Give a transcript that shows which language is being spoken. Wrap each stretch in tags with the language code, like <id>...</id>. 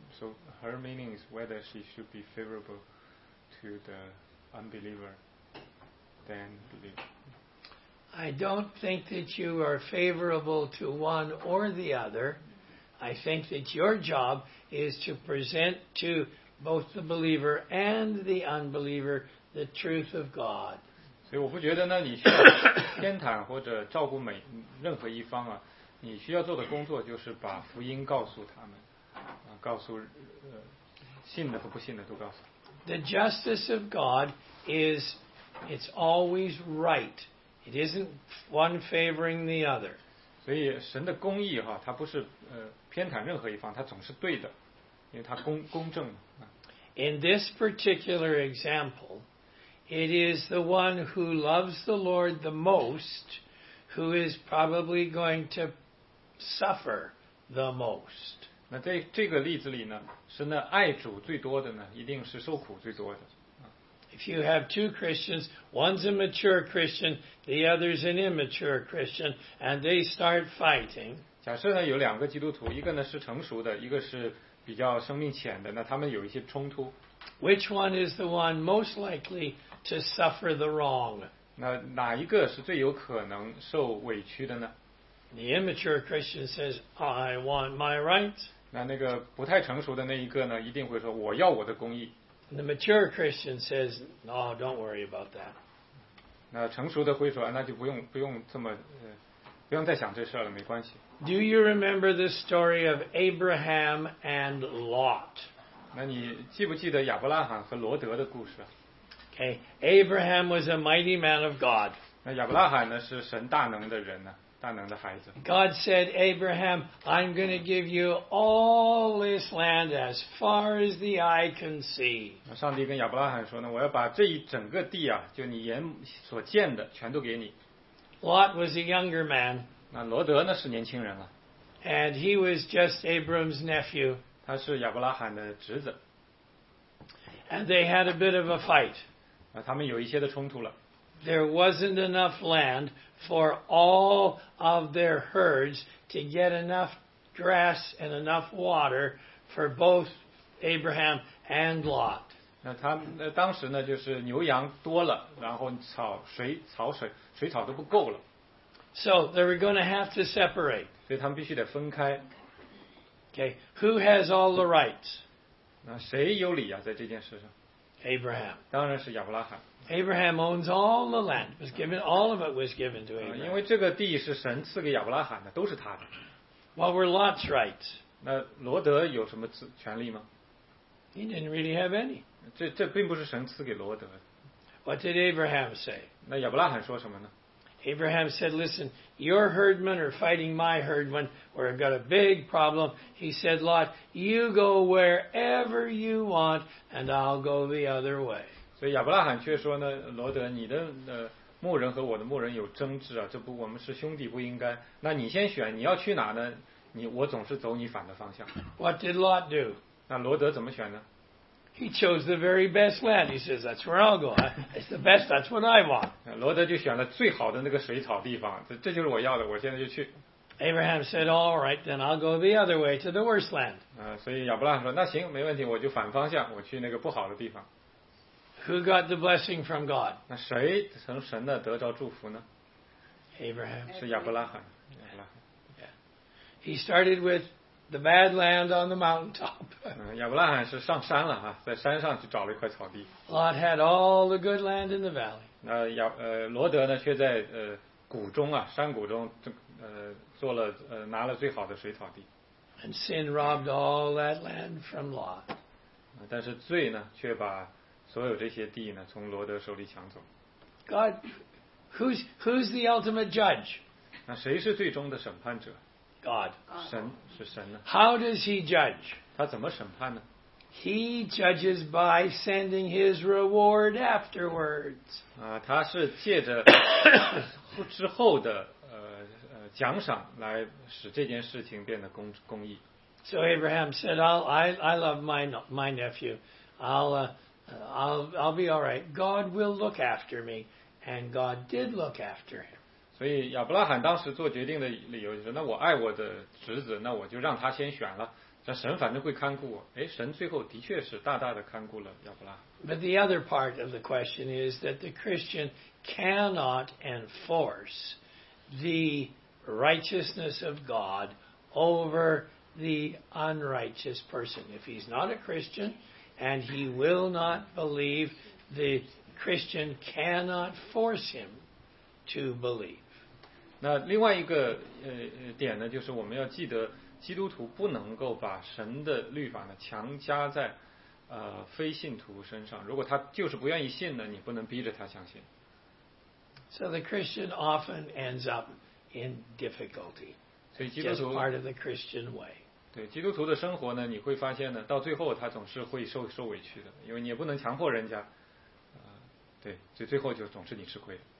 <en>So her meaning is whether she should be favorable to the unbeliever than believe. I don't think that you are favorable to one or the other. I think that your job is to present to both the believer and the unbeliever the truth of God.</en> <zh>所以我不觉得呢，你需要偏袒或者照顾每任何一方啊。你需要做的工作就是把福音告诉他们，告诉信的和不信的都告诉。</zh> <en>The justice of God is, it's always right. It isn't one favoring the other.</en> <zh>所以神的公义哈，它不是偏袒任何一方，它总是对的，因为它公正。</zh> <en>In this particular example, it is the one who loves the Lord the most who is probably going to suffer the most.</en> <zh>那在这个例子里呢，是那爱主最多的呢，一定是受苦最多的。</zh> <en>If you have two Christians, one's a mature Christian, the other's an immature Christian, and they start fighting.</en> <zh>假设呢有两个基督徒，一个呢是成熟的，一个是比较生命浅的，那他们有一些冲突。</zh> <en>Which one is the one most likely to suffer the wrong?</en> <zh>那哪一个是最有可能受委屈的呢？</zh> <en>The immature Christian says, I want my rights.</en> <zh>那个不太成熟的那一个呢，一定会说我要我的公义。</zh> <en>The mature Christian says, no, don't worry about that.</en> <zh>那成熟的会说，那就不用这么不用再想这事了，没关系。</zh> <en>Do you remember the story of Abraham and Lot?</en> <zh>那你记不记得亚伯拉罕和罗德的故事？</zh> <en>Okay, Abraham was a mighty man of God.</en> <zh>那亚伯拉罕呢，是神大能的人呢，大能的孩子。</zh> <en>God said, Abraham, I'm going to give you all this land as far as the eye can see.</en> <zh>上帝跟亚伯拉罕说呢，我要把这一整个地啊，就你眼所见的全都给你。</zh> <en>Lot was a younger man.</en> <zh>那罗德呢是年轻人了。</zh> <en>And he was just Abram's nephew.</en> <zh>他是亚伯拉罕的侄子。</zh> <en>And they had a bit of a fight.</en> <zh>他们有一些的冲突了。</zh> <en>There wasn't enough land for all of their herds to get enough grass and enough water for both Abraham and Lot.</en> <zh>那他当时呢，就是牛羊多了，然后水草都不够了。</zh> <en>So they were going to have to separate.</en> <zh>所以他们必须得分开。</zh> <en>Okay, who has all the rights?</en> <zh>那谁有理啊，在这件事上？</zh> <en>Abraham.</en> <zh>当然是亚伯拉罕。</zh> <en>Abraham owns all the land. Was given, all of it was given to Abraham.</en> <zh>因为这个地是神赐给亚伯拉罕的，都是他的。</zh> <en>What were Lot's rights?</en> <zh>那罗德有什么权利吗？</zh> <en>He didn't really have any.</en> <zh>这并不是神赐给罗德。</zh> <en>What did Abraham say?</en> <zh>那亚伯拉罕说什么呢？</zh> <en>Abraham said, listen, your herdmen are fighting my herdmen. We've got a big problem. He said, Lot, you go wherever you want and I'll go the other way.</en> <zh>所以亚伯拉罕却说呢，罗德，你的牧人和我的牧人有争执啊，这不我们是兄弟不应该。那你先选，你要去哪呢？我总是走你反的方向。</zh> <en>What did Lot do?</en> <zh>那罗德怎么选呢？</zh> <en>He chose the very best land. He says, that's where I'll go. It's the best. That's what I want.</en> <zh>罗德就选了最好的那个水草地方，这就是我要的，我现在就去。</zh> <en>Abraham said, all right, then I'll go the other way to the worst land.</en> <zh>所以亚伯拉罕说，那行，没问题，我就反方向，我去那个不好的地方。</zh> <en>Who got the blessing from God?</en> <zh>那谁从神的得着祝福呢？</zh> <en>Abraham.</en> <zh>是亚伯拉罕。</zh> <en>He started with the bad land on the mountaintop.</en> <zh>亚伯拉罕是上山了啊，在山上去找了一块草地。</zh> <en>Lot had all the good land in the valley.</en> <zh>罗德呢，却在谷中啊，山谷中做了拿了最好的水草地。</zh> <en>And sin robbed all that land from Lot.</en> <zh>但是罪呢，却把所有这些地呢，从罗德手里抢走。</zh> <en>God, who's the ultimate judge?</en> <zh>那谁是最终的审判者？</zh> <en>God.</en> <zh>神是神呢。</zh> <en>How does he judge?</en> <zh>他怎么审判呢？</zh> <en>He judges by sending his reward afterwards.</en> <zh>他是借着之后的奖赏来使这件事情变得公义。</zh> <en>So Abraham said, I love my nephew. I'll be all right. God will look after me. And God did look after him.</en> <zh>所以亚伯拉罕当时做决定的理由就是，那我爱我的侄子，那我就让他先选了，这神反正会看顾我。哎，神最后的确是大大的看顾了亚伯拉罕。</zh> <en>But the other part of the question is that the Christian cannot enforce the righteousness of God over the unrighteous person. If he's not a Christian and he will not believe, the Christian cannot force him to believe.</en> <zh>那另外一个点呢，就是我们要记得，基督徒不能够把神的律法呢强加在非信徒身上。如果他就是不愿意信呢，你不能逼着他相信。</zh> <en>So the Christian often ends up in difficulty.</en> <zh>所以基督徒</zh> <en>just part of the Christian way.</en> <zh>对基督徒的生活呢，你会发现呢，到最后他总是会受委屈的，因为你也不能强迫人家。对，所以最后就总是你吃亏。</zh>